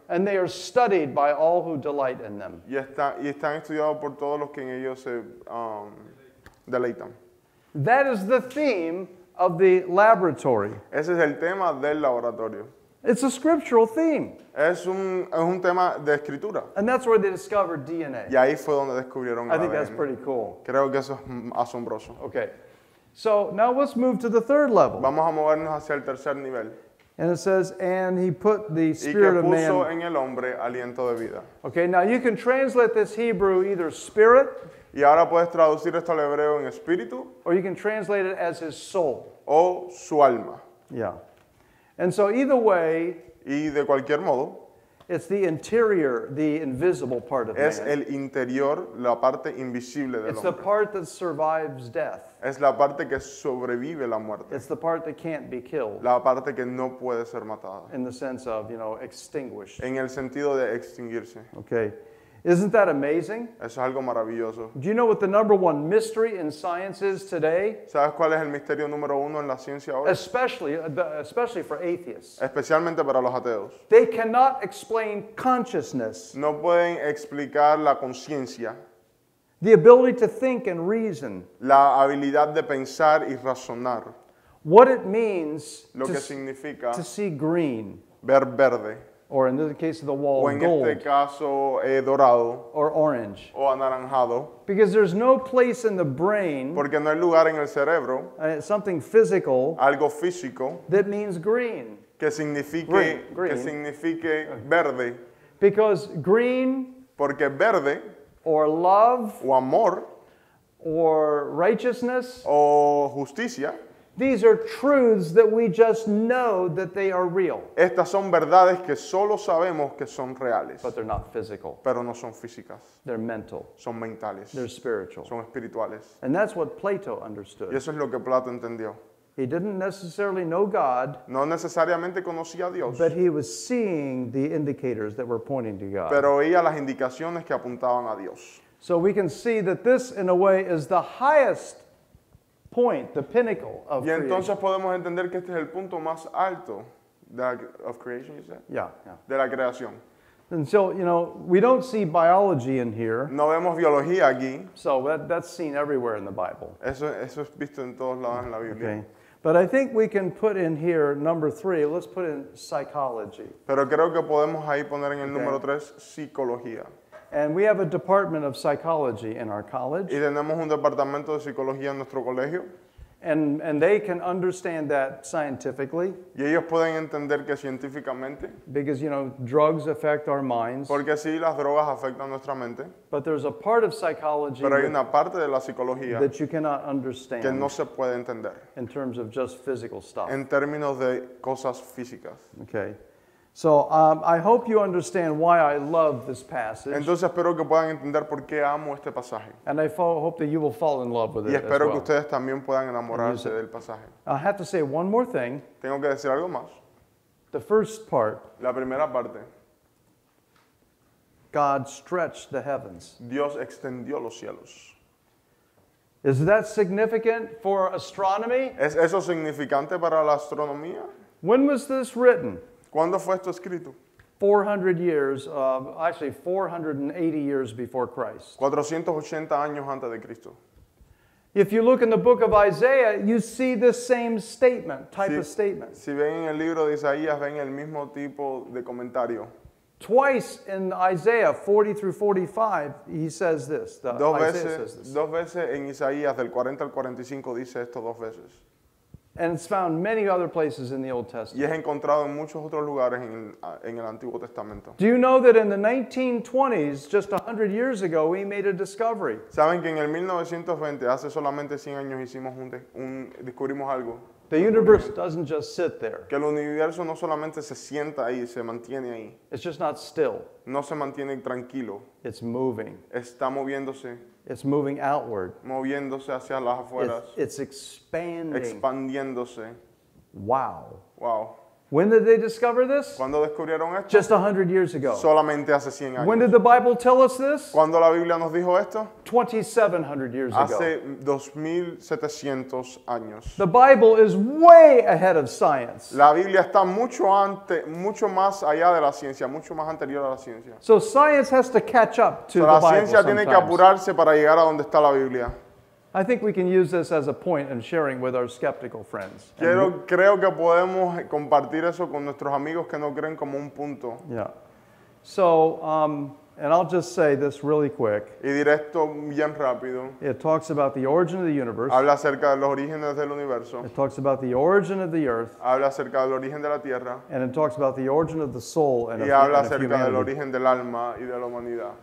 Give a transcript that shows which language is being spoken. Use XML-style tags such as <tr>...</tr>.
<en>And they are studied by all who delight in them.</en> <es>Y están estudiados por todos los que en ellos se deleitan.</es> <en>That is the theme of the laboratory.</en> <es>Ese es el tema del laboratorio.</es> <en>It's a scriptural theme.</en> <es>Es un tema de escritura.</es> <en>And that's where they discovered DNA.</en> <es>Y ahí fue donde descubrieron el ADN.</es> <en>I think that's pretty cool.</en> <es>Creo que eso es asombroso.</es> <en>Okay. So now let's move to the third level.</en> <es>Vamos a movernos hacia el tercer nivel.</es> <en>And it says, and he put the spirit of man.</en> <es>Y que puso en el hombre aliento de vida.</es> <en>Okay, now you can translate this Hebrew either spirit.</en> <es>Y ahora puedes traducir esto al hebreo en espíritu.</es> <en>Or you can translate it as his soul.</en> <es>O su alma.</es> <en>Yeah. And so either way.</en> <es>Y de cualquier modo.</es> <en>It's the interior, the invisible part of man.</en> <es>Es el interior, la parte invisible del hombre.</es> <en>It's the part that survives death.</en> <es>Es la parte que sobrevive la muerte.</es> <en>It's the part that can't be killed.</en> <es>La parte que no puede ser matada.</es> <en>In the sense of, you know, extinguished.</en> <es>En el sentido de extinguirse.</es> <en>Okay. Isn't that amazing?</en> <es>Eso es algo maravilloso.</es> <en>Do you know what the number one mystery in science is today?</en> <es>¿Sabes cuál es el misterio número uno en la ciencia hoy?</es> <en>Especially for atheists.</en> <es>Especialmente para los ateos.</es> <en>They cannot explain consciousness.</en> <es>No pueden explicar la conciencia.</es> <en>The ability to think and reason.</en> <es>La habilidad de pensar y razonar.</es> <en>What it means</en> <es>lo que significa</es> <en>to see green.</en> <es>Ver verde.</es> <en>Or in the case of the wall,</en> <es>o en</es> <en>gold.</en> <es>Este caso, dorado.</es> <en>Or orange.</en> <es>O anaranjado.</es> <en>Because there's no place in the brain.</en> <es>Porque no hay lugar en el cerebro.</es> <en>Something physical.</en> <es>Algo físico.</es> <en>That means green.</en> <es>Que signifique, green. Que signifique verde.</es> <en>Because green.</en> <es>Porque verde.</es> <en>Or love.</en> <es>O amor.</es> <en>Or righteousness.</en> <es>O justicia.</es> <en>These are truths that we just know that they are real.</en> <es>Estas son verdades que solo sabemos que son reales.</es> <en>But they're not physical.</en> <es>Pero no son físicas.</es> <en>They're mental.</en> <es>Son mentales.</es> <en>They're spiritual.</en> <es>Son espirituales.</es> <en>And that's what Plato understood.</en> <es>Y eso es lo que Plato entendió.</es> <en>He didn't necessarily know God.</en> <es>No necesariamente conocía a Dios.</es> <en>But he was seeing the indicators that were pointing to God.</en> <es>Pero veía las indicaciones que apuntaban a Dios.</es> <en>So we can see that this, in a way, is the highest point, the pinnacle of creation.</en> <es>Y entonces creation. Podemos entender que este es el punto más alto de la,</es> <en>of creation, you said? Yeah,</en> <es>de la creación.</es> <en>And so, you know, we don't see biology in here.</en> <es>No vemos biología aquí.</es> <en>So that's seen everywhere in the Bible.</en> <es>Eso es visto en todos lados en la Biblia.</es> <en>Okay. But I think we can put in here number three. Let's put in psychology.</en> <es>Pero creo que podemos ahí poner en el número tres, psicología.</es> <en>And we have a department of psychology in our college.</en> <es>Y tenemos un departamento de psicología en nuestro colegio.</es> <en>And they can understand that scientifically.</en> <es>Y ellos pueden entender que científicamente.</es> <en>Because, you know, drugs affect our minds.</en> <es>Porque sí, las drogas afectan nuestra mente.</es> <en>But there's a part of psychology.</en> <es>Pero hay una parte de la psicología.</es> <en>That you cannot understand.</en> <es>Que no se puede entender.</es> <en>In terms of just physical stuff.</en> <es>En términos de cosas físicas.</es> <en>Okay. So I hope you understand why I love this passage.</en> <es>Entonces espero que puedan entender por qué amo este pasaje.</es> <en>And I hope that you will fall in love with it.</en> <es>Y espero</es> <en>as well.</en> <es>Que ustedes también puedan enamorarse del pasaje.</es> <en>I have to say one more thing.</en> <es>Tengo que decir algo más.</es> <en>The first part.</en> <es>La primera parte.</es> <en>God stretched the heavens.</en> <es>Dios extendió los cielos.</es> <en>Is that significant for astronomy?</en> <es>¿Es eso significante para la astronomía?</es> <en>When was this written?</en> <es>¿Cuándo fue esto escrito?</es> <en>400 years, actually 480 years before Christ.</en> <es>480 años antes de Cristo.</es> <en>If you look in the book of Isaiah, you see the same statement, type of statement.</en> <es>Si ven en el libro de Isaías, ven el mismo tipo de comentario.</es> <en>Twice in Isaiah 40 through 45, he says this.</en> <es>Dos veces en Isaías, del 40 al 45, dice esto dos veces.</es> <en>And it's found many other places in the Old Testament.</en> <es>Y es encontrado en muchos otros lugares en el Antiguo Testamento.</es> <en>Do you know that in the 1920s, just 100 years ago, we made a discovery?</en> <es>¿Saben que en el 1920, hace solamente 100 años, hicimos un descubrimos algo?</es> <en>The universe doesn't just sit there.</en> <es>Que el universo no solamente se sienta ahí, se mantiene ahí.</es> <en>It's just not still.</en> <es>No se mantiene tranquilo.</es> <en>It's moving.</en> <es>Está moviéndose.</es> <en>It's moving outward.</en> <es>Moviéndose hacia las afueras.</es> <en>It's expanding.</en> <es>Expandiéndose.</es> <en>Wow.</en> <es>Wow.</es> <en>When did they discover this?</en> <es>¿Cuándo descubrieron esto?</es> <en>Just 100 years ago.</en> <es>Solamente hace 100 años.</es> <en>When did the Bible tell us this?</en> <es>¿Cuándo la Biblia nos dijo esto?</es> <en>2700 years</en> <es>ago. Hace 2700 años.</es> <en>The Bible is way ahead of science.</en> <es>La Biblia está mucho antes, mucho más allá de la ciencia, mucho más anterior a la ciencia.</es> <en>So science has to catch up to Bible.</en> <es>La ciencia tiene</es> <en>sometimes.</en> <es>Que apurarse para llegar a donde está la Biblia.</es> <en>I think we can use this as a point in sharing with our skeptical friends.</en> <es>Creo que podemos compartir eso con nuestros amigos que no creen como un punto.</es> <en>Yeah. So, and I'll just say this really quick.</en> <es>Y directo, bien rápido.</es> <en>It talks about the origin of the universe.</en> <es>Habla acerca de los orígenes del universo.</es> <en>It talks about the origin of the earth.</en> <es>Habla acerca del origen de la tierra.</es> <en>And it talks about the origin of the soul and of humanity.</en> <es>Y habla acerca del origen del alma y de la humanidad.</es>